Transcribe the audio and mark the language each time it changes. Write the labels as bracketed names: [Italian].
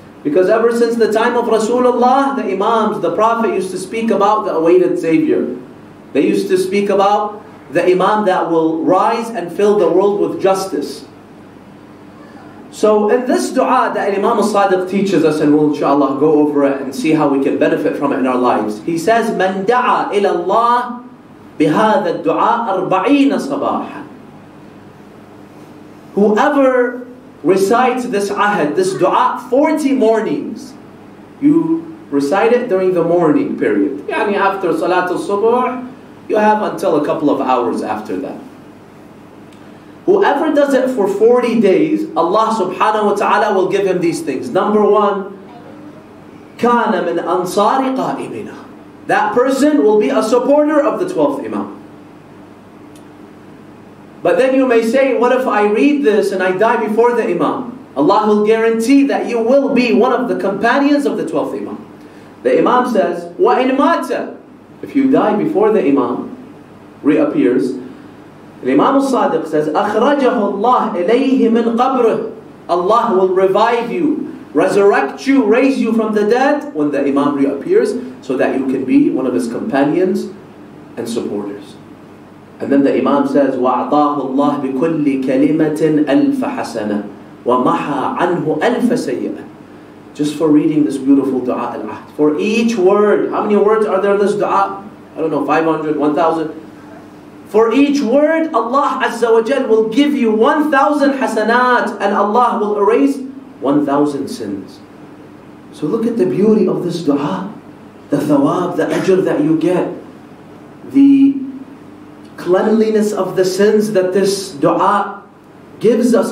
[English] Because ever since the time of Rasulullah, the Imams, the Prophet used to speak about the awaited Savior. They used to speak about the Imam that will rise and fill the world with justice. So in this dua that Imam al-Sadiq teaches us, and we'll inshallah go over it and see how we can benefit from it in our lives. He says, [Arabic] مَنْ دَعَى إِلَى اللَّهِ بِهَذَا الدُّعَى أَرْبَعِينَ صَبَاحًا. [English] Whoever recites this ahad, this dua, 40 mornings, you recite it during the morning period. Yani after Salat al-Subh, you have until a couple of hours after that. Whoever does it for 40 days, Allah subhanahu wa ta'ala will give him these things. Number one, [Arabic] كان من أنصار قائمنا. [English] That person will be a supporter of the 12th Imam. But then you may say, what if I read this and I die before the Imam? Allah will guarantee that you will be one of the companions of the 12th Imam. The Imam says, [Arabic] وَإِن مَاتَ. [English] If you die before the Imam reappears, Imam al-Sadiq says, [Arabic] أَخْرَجَهُ اللَّهِ إِلَيْهِ مِنْ قَبْرِهِ. [English] Allah will revive you, resurrect you, raise you from the dead when the Imam reappears, so that you can be one of his companions and supporters. And then the Imam says, [Arabic] وَأَعْطَاهُ اللَّهِ بِكُلِّ كَلِمَةٍ أَلْفَ حَسَنَةٍ وَمَحَى عَنْهُ أَلْفَ سَيِّئَةٍ. [English] Just for reading this beautiful dua al-ahd. For each word, how many words are there in this dua? I don't know, 500, 1,000. For each word, Allah Azza wa Jal will give you 1,000 hasanat, and Allah will erase 1,000 sins. So look at the beauty of this dua. The thawab, the ajr that you get, the cleanliness of the sins that this dua gives us.